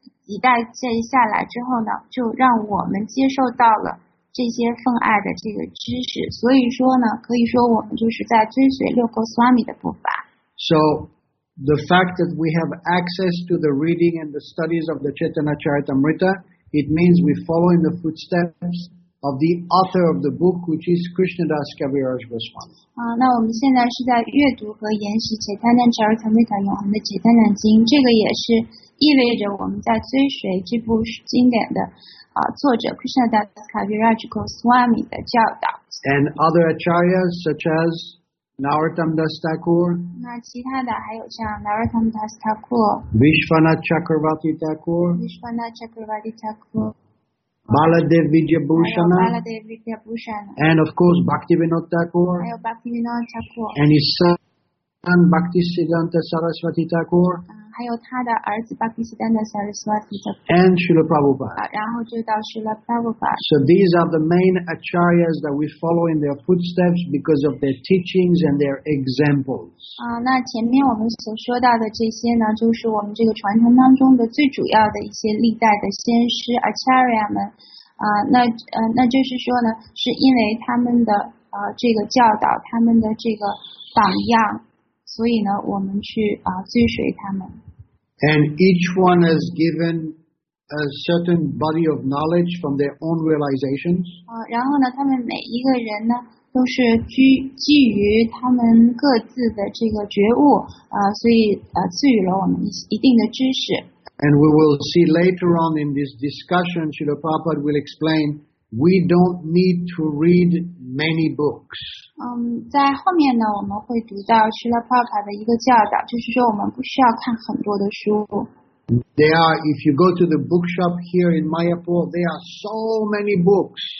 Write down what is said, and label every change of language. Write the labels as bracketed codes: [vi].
[zh] 一代接下来之后呢，就让我们接受到了这些奉爱的这个知识。所以说呢，可以说我们就是在追随六个 Swami 的步伐。 [en] So the fact that we have access to the reading and the studies of the Chaitanya Charitamrita, it means we follow in the footsteps of the author of the book, which is Krishnadas Kaviraj Goswami. [zh] 那我们现在是在阅读和研习 Chaitanya Charitamrita 永恒的 Chaitanya 经，这个也是。意味着我们在追随这部经典的作者 Krishnadas Kaviraj Goswami 的教导。 [en] And other acharyas such as Narottam Das Thakur. [zh] 那其他的还有像 Narottam Das Thakur. [en] Vishwanath Chakravarti Thakur. [zh] Vishwanath Chakravarti Thakur. [en] Baladev Vidyabhushana. [zh] Baladev Vidyabhushana. [en] And of course Bhaktivinod Thakur. [zh] 还有 Bhaktivinod Thakur. [en] And his son Bhaktisiddhanta Saraswati Thakur. [zh] 还有他的儿子巴基斯坦的萨拉斯瓦蒂的 [en] ，and Srila Prabhupada， [zh] 然后就到 Srila Prabhupada。 [en] So these are the main acharyas that we follow in their footsteps because of their teachings and their examples。 [zh] 那前面我们所说到的这些呢，就是我们这个传承当中的最主要的一些历代的先师 acharya 们，那就是说呢，是因为他们的这个教导，他们的这个榜样。所以呢，我们去追随他们。 [en] And each one has given a certain body of knowledge from their own realizations. [zh] 然后呢，他们每一个人呢，都是基于他们各自的这个觉悟，所以赐予了我们一定的知识。 [en] And we will see later on in this discussion, Srila Prabhupada will explain. We don't need to read many books. [zh] 在后面呢，我们会读到 Srila Prabhupada 的一个教导，就是说我们不需要看很多的书。 [en] They are, if you go to the bookshop here in Mayapur, there are so many books.